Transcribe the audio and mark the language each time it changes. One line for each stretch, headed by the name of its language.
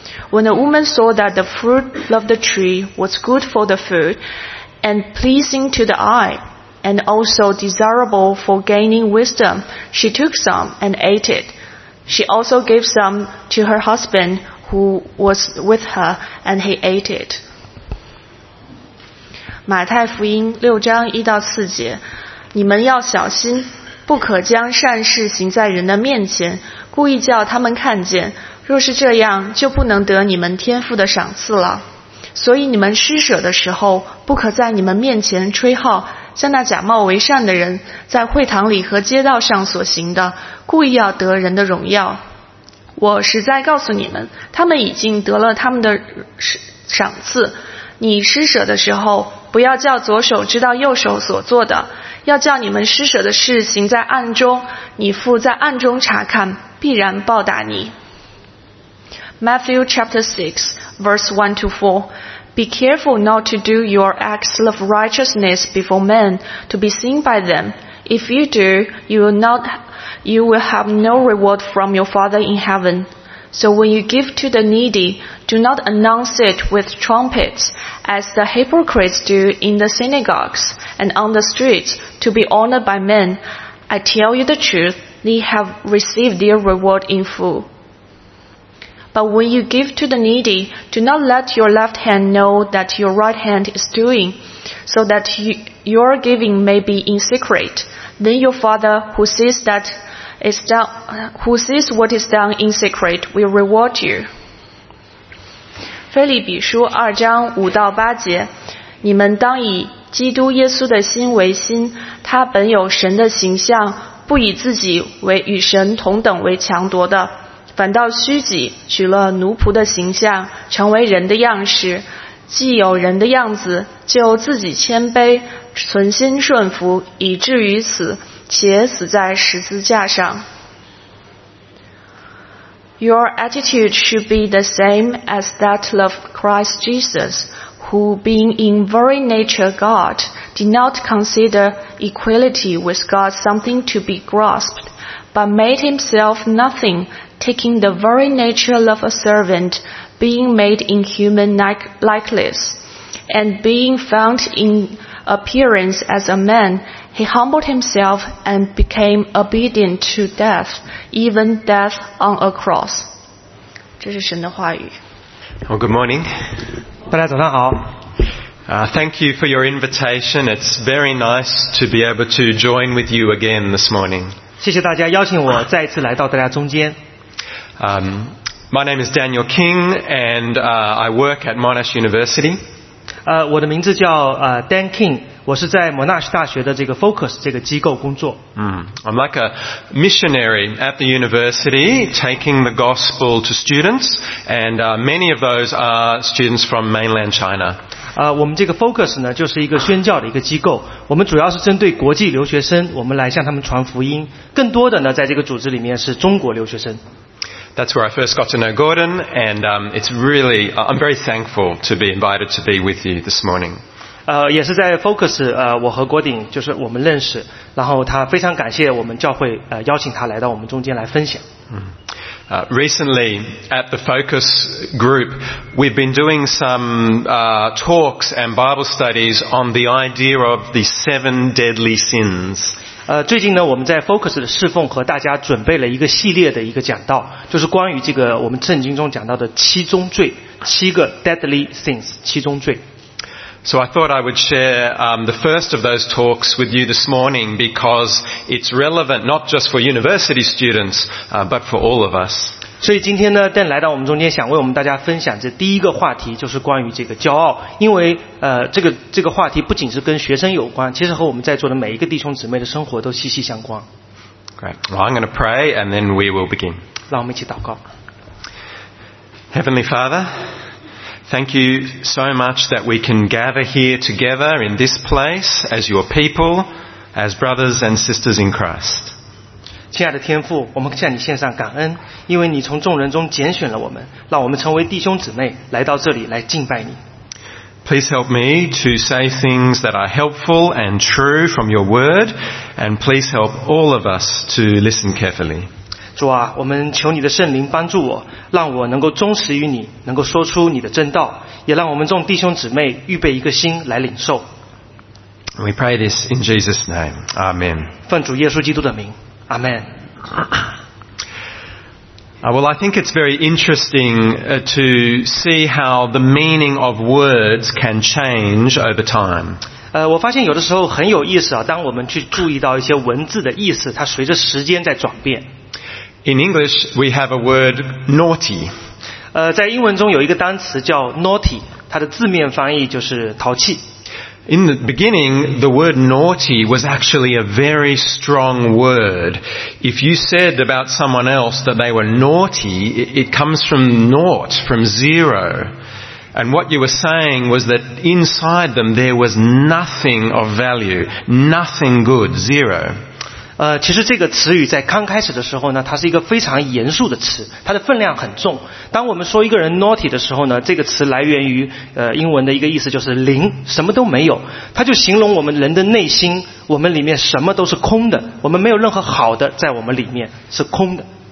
English: When the woman saw that the fruit of the tree was good for the food, and pleasing to the eye, and also desirable for gaining wisdom, she took some and ate it. She also gave some to her husband, who was with her, and he ate it.
Chinese: 马太福音六章一到四节，你们要小心，不可将善事行在人的面前，故意叫他们看见，若是这样，就不能得你们天父的赏赐了。所以你们施舍的时候，不可在你们面前吹号，像那假冒为善的人，在会堂里和街道上所行的，故意要得人的荣耀。我实在告诉你们，他们已经得了他们的赏赐。你施舍的时候，不要叫左手知道右手所做的，要叫你们施舍的事行在暗中，你父在暗中查看，必然报答你。
English: Matthew chapter 6 verse 1-4. Be careful not to do your acts of righteousness before men to be seen by them. If you do, you will have no reward from your Father in heaven. So when you give to the needy, do not announce it with trumpets, as the hypocrites do in the synagogues and on the streets, to be honored by men. I tell you the truth, they have received their reward in full. But when you give to the needy, do not let your left hand know that your right hand is doing, so that your giving may be in secret. Then your Father, who sees that,Who sees what is done in secret will reward you.
Chinese: 腓立比书二章五到八节，你们当以基督耶稣的心为心，他本有神的形象，不以自己为与神同等为强夺的，反倒虚己，取了奴仆的形象，成为人的样式，既有人的样子，就自己谦卑，存心顺服，以至于死。且死在十字架上。
English: Your attitude should be the same as that of Christ Jesus, who, being in very nature God, did not consider equality with God something to be grasped, but made himself nothing, taking the very nature of a servant, being made in human likeness, and being found in appearance as a man,He humbled himself and became obedient to death, even death on a cross.
Chinese: 这是神的话语。
English: Well, good morning.
Chinese: 大家早上好。
English: Thank you for your invitation. It's very nice to be able to join with you again this morning.
Chinese: 谢谢大家邀请我再次来到大家中间。
English: My name is Daniel King, and I work at Monash University.
Chinese: 我的名字叫Dan King, 我是在摩纳什大学的这个 Focus 这个机构工作。
English: I'm like a missionary at the university taking the gospel to students, and many of those are students from mainland China.
Chinese: 我们这个 Focus 呢，就是一个宣教的一个机构。我们主要是针对国际留学生，我们来向他们传福音。更多的呢，在这个组织里面是中国留学生。
English: That's where I first got to know Gordon, and I'm very thankful to be invited to be with you this morning.
Chinese: 也是在 Focus, 我和 Gordon 就是我们认识，然后他非常感谢我们教会邀请他来到我们中间来分享。
English: Recently, at the Focus group, we've been doing some talks and Bible studies on the idea of the seven deadly sins.
Chinese: 最近呢，我们在 Focus 的侍奉和大家准备了一个系列的一个讲道，就是关于这个我们圣经中讲到的七宗罪，七个
English: deadly sins,
Chinese: 七宗罪。
English: So I thought I would share the first of those talks with you this morning because it's relevant not just for university students, but for all of us.
Chinese: 所以今天呢，Dan来到我们中间，想为我们大家分享这第一个话题，就是关于这个骄傲，因为这个话题不仅是跟学生有关，其实和我们在座的每一个弟兄姊妹的生活都息息相关。
English: Great. Well, I'm going to pray and then we will begin.
Chinese: 让我们一起祷告。
English: Heavenly Father,Thank you so much that we can gather here together in this place as your people, as brothers and sisters in Christ.
Chinese: 亲爱的天父，我们向你献上感恩，因为你从众人中拣选了我们，让我们成为弟兄姊妹，来到这里来敬拜你。
English: Please help me to say things that are helpful and true from your word, and please help all of us to listen carefully.
Chinese: 主啊，我们求你的圣灵帮助我，让我能够忠实于你，能够说出你的真道，也让我们众弟兄姊妹预备一个心来领受。
English: We pray this in Jesus' name. Amen.
Chinese: 奉主耶稣基督的名， Amen.
English: Well, I think it's very interesting to see how the meaning of words can change over time.
Chinese: 我发现有的时候很有意思啊，当我们去注意到一些文字的意思，它随着时间在转变。
English: In English, we have a word naughty.
Chinese: 在英文中有一个单词叫 naughty, 它的字面翻译就是淘气。
English: In the beginning, the word naughty was actually a very strong word. If you said about someone else that they were naughty, it comes from naught, from zero. And what you were saying was that inside them there was nothing of value, nothing good, zero.
Chinese: 其实这个词语在刚开始的时候呢，它是一个非常严肃的词，它的分量很重。当我们说一个人 naughty 的时候呢，这个词来源于英文的一个意思，就是零，什么都没有。它就形容我们人的内心，我们里面什么都是空的，我们没有任何好的在我们里面，是空的。